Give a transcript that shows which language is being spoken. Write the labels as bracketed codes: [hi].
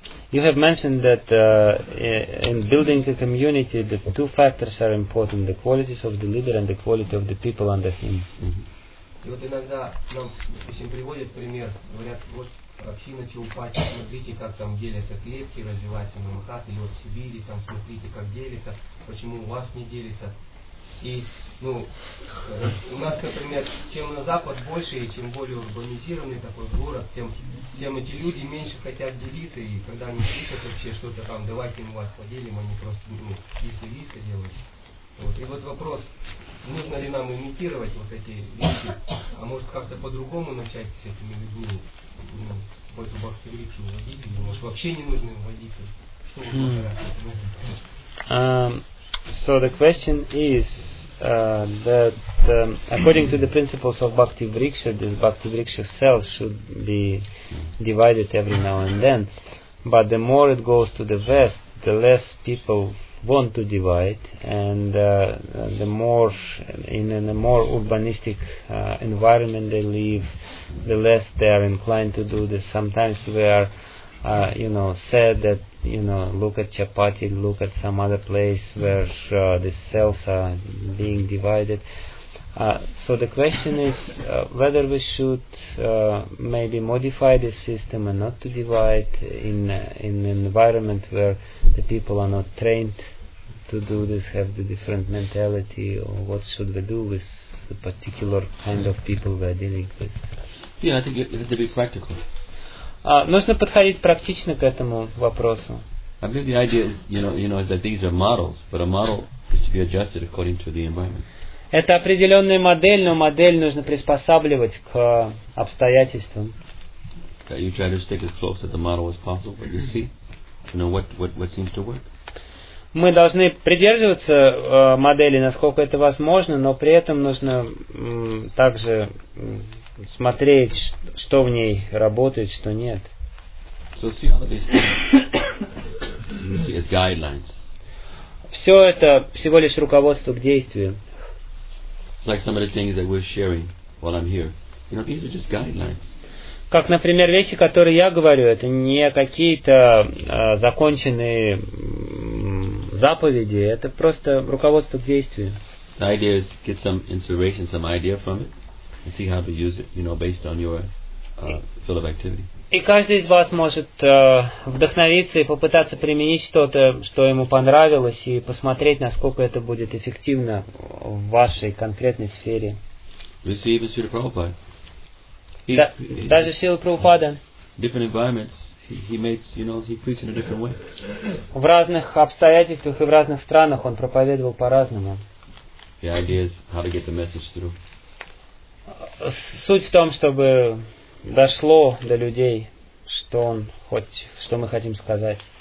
[en] You have mentioned that in building a community, the two factors are important: the qualities of the leader and the quality of the people under him. [ru] И вот иногда нам, допустим, приводят пример, говорят: вот община Чаупати, смотрите, как там делятся клетки, развиваются Махат, или вот в Сибири, там смотрите, как делится, почему у вас не делится. И, ну, у нас, например, чем на Запад больше и чем более урбанизированный такой город, тем эти люди меньше хотят делиться, и когда они пишут вообще что-то там, давайте мы вас поделим, они просто, ну, делиться делают. Вот. И вот вопрос, нужно ли нам имитировать вот эти люди, а может как-то по-другому начать с этими людьми, ну, какой-то бактерию вводить, или может вообще не нужно им водиться. Что вы думаете? [en] So the question is that according to the principles of Bhakti Vriksha, this Bhakti Vriksha cell should be divided every now and then. But the more it goes to the west, the less people want to divide, and the more in a more urbanistic environment they live, the less they are inclined to do this. Sometimes we are, you know, sad that, you know, look at Chapati, look at some other place where the cells are being divided. So the question is whether we should maybe modify this system and not to divide in an environment where the people are not trained to do this, have the different mentality, or what should we do with the particular kind of people we are dealing with? Yeah, I think it has to be practical. [ru] Нужно подходить практично к этому вопросу. [en] I believe the idea is, you know, is that these are models, but a model is to be adjusted according to the environment. [ru] Это определенная модель, но модель нужно приспосабливать к обстоятельствам. [en] Okay, you try to stick as close to the model as possible, but you see, you know what seems to work. [ru] Мы должны придерживаться модели, насколько это возможно, но при этом нужно также смотреть, что в ней работает, что нет. [en] So see all these things. You see as guidelines. [ru] Все это всего лишь руководство к действию. [en] It's like some of the things that we're sharing while I'm here. You know, these are just guidelines. [ru] Как, например, вещи, которые я говорю, это не какие-то законченные заповеди, это просто руководство к действию. [en] The idea is get some inspiration, some idea from it. And see how to use it, you know, based on your field of activity. [ru] И каждый из вас может вдохновиться и попытаться применить что-то, что ему понравилось, и посмотреть, насколько это будет эффективно в вашей конкретной сфере. [en] Receive the Srila Prabhupada. [ru] Даже Srila Prabhupada. [en] Different environments. He makes, you know, he preaches in a different way. [ru] В разных обстоятельствах и в разных странах он проповедовал по-разному. [en] The idea is how to get the message through. [ru] Суть в том, чтобы дошло до людей, что он хоть, что мы хотим сказать.